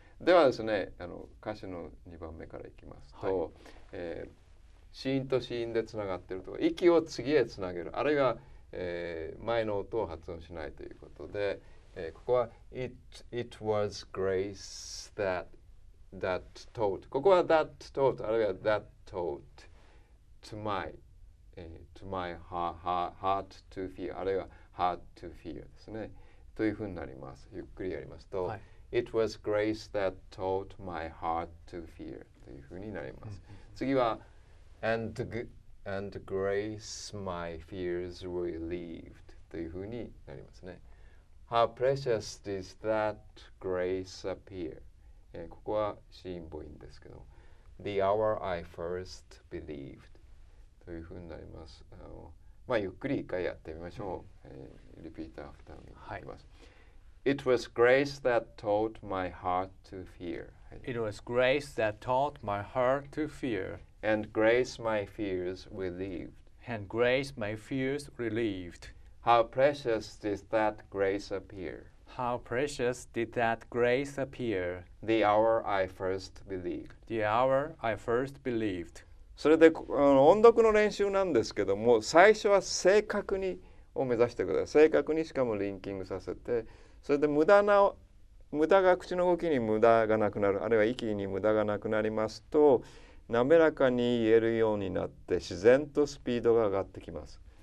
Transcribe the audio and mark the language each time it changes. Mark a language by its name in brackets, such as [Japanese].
[Japanese] ではですね、歌詞の2番目からいきますと、子音と子音でつながっているとか、息を次へつなげる、あるいは、前の音を発音しないということで、ここは [English] 「It was grace that taught」、 [Japanese] ここは [English] 「that taught」、 [Japanese] あるいは [English] 「that taught to my heart to fear」、 [Japanese] あるいは [English] 「heart to fear」 [Japanese] ですね、というふうになります。ゆっくりやりますと、 [English] It was grace that taught my heart to fear [Japanese] というふうになります。次は [English] and grace my fears relieved [Japanese] というふうになりますね。 [English] How precious is that grace appear? [Japanese] ここは子音母音ですけど、 [English] The hour I first believed [Japanese] というふうになります。ゆっくり一回やってみましょう。 [English] Repeat after me [Japanese] いきます。 [English] It was grace that taught my heart to fear. It was grace that taught my heart to fear. And grace my fears relieved. And grace my fears relieved. How precious did that grace appear? How precious did that grace appear? The hour I first believed. The hour I first believed. [Japanese] それで、音読の練習なんですけども、最初は正確にを目指してください。正確にしかもリンキングさせて、それで無駄が、口の動きに無駄がなくなる、あるいは息に無駄がなくなりますと、滑らかに言えるようになって自然とスピードが上がってきます。